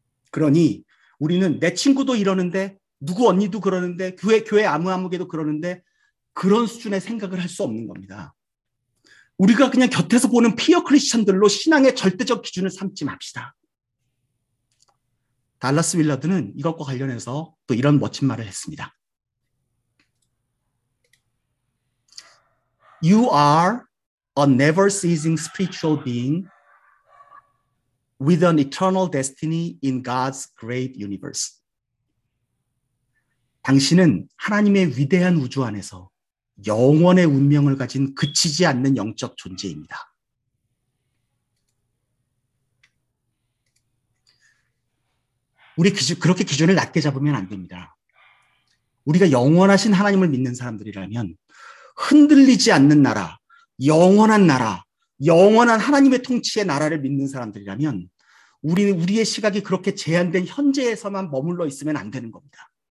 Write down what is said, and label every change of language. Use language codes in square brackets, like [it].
[ko] 그러니 우리는 내 친구도 이러는데, 누구 언니도 그러는데, 교회 아무개도 그러는데, 그런 수준의 생각을 할 수 없는 겁니다. 우리가 그냥 곁에서 보는 피어 크리스천들로 신앙의 절대적 기준을 삼지 맙시다. 달라스 윌러드는 이것과 관련해서 또 이런 멋진 말을 했습니다. [en] You are a never-ceasing spiritual being with an eternal destiny in God's great universe. [ko] 당신은 하나님의 위대한 우주 안에서 영원의 운명을 가진 그치지 않는 영적 존재입니다. 우리 그렇게 기준을 낮게 잡으면 안 됩니다. 우리가 영원하신 하나님을 믿는 사람들이라면 흔들리지 않는 나라, 영원한 나라, 영원한 하나님의 통치의 나라를 믿는 사람들이라면 우리의 시각이 그렇게 제한된 현재에서만 머물러 있으면 안 되는 겁니다.